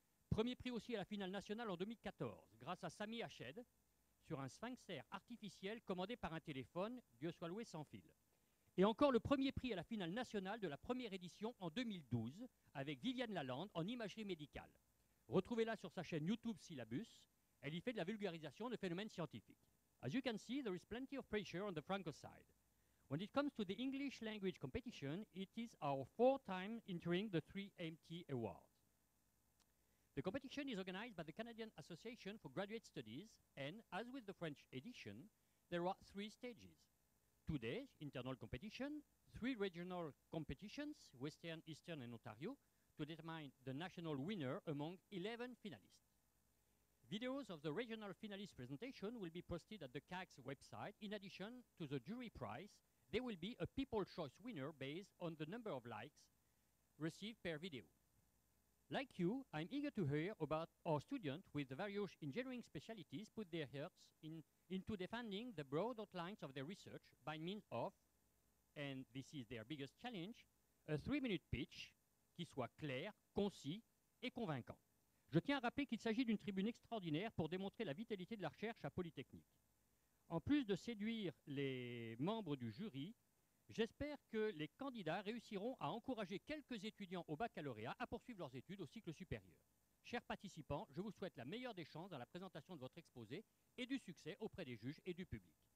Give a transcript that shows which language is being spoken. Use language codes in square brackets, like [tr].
[fr] Premier prix aussi à la finale nationale en 2014, grâce à Sami Hached sur un sphincter artificiel commandé par un téléphone, Dieu soit loué, sans fil. Et encore le premier prix à la finale nationale de la première édition en 2012 avec Viviane Lalande en imagerie médicale. Retrouvez-la sur sa chaîne YouTube Syllabus. Elle y fait de la vulgarisation de phénomènes scientifiques. [en] As you can see, there is plenty of pressure on the Franco side. When it comes to the English language competition, it is our fourth time entering the 3MT Awards. The competition is organized by the Canadian Association for Graduate Studies, and as with the French edition, there are 3 stages. Today, internal competition, 3 regional competitions, Western, Eastern, and Ontario, to determine the national winner among 11 finalists. Videos of the regional finalist presentation will be posted at the CAG's website. In addition to the jury prize, there will be a People's Choice winner based on the number of likes received per video. Like you, I'm eager to hear about our students with various engineering specialties put their hearts into defending the broad outlines of their research by means of, and this is their biggest challenge, a 3-minute pitch [fr] qui soit clair, concis et convaincant. Je tiens à rappeler qu'il s'agit d'une tribune extraordinaire pour démontrer la vitalité de la recherche à Polytechnique. En plus de séduire les membres du jury, j'espère que les candidats réussiront à encourager quelques étudiants au baccalauréat à poursuivre leurs études au cycle supérieur. Chers participants, je vous souhaite la meilleure des chances dans la présentation de votre exposé et du succès auprès des juges et du public.